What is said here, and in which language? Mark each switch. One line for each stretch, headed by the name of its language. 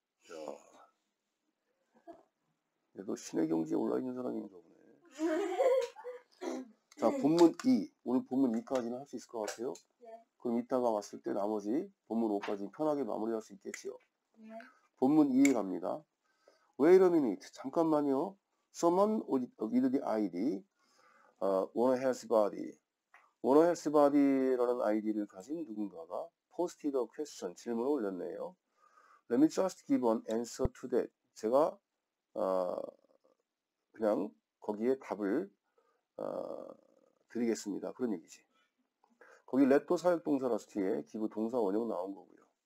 Korean: 야, 얘도 신의 경지에 올라있는 사람인가 보네. 자, 본문 2. 오늘 본문 2까지는 할 수 있을 것 같아요. 그럼 이따가 왔을 때 나머지 본문 5까지 편하게 마무리할 수 있겠지요. 네. 본문 2에 갑니다.
English: Wait a minute.
Korean: 잠깐만요.
English: Someone with the ID, Wanna Health Body.
Korean: Wanna Health Body라는 ID를 가진 누군가가
English: posted a question,
Korean: 질문을 올렸네요.
English: Let me just give an answer to that.
Korean: 제가 그냥 거기에 답을 드리겠습니다. 그런 얘기지. 거기 let도 사역동사라서 뒤에 give 동사 원형 나온 거고요.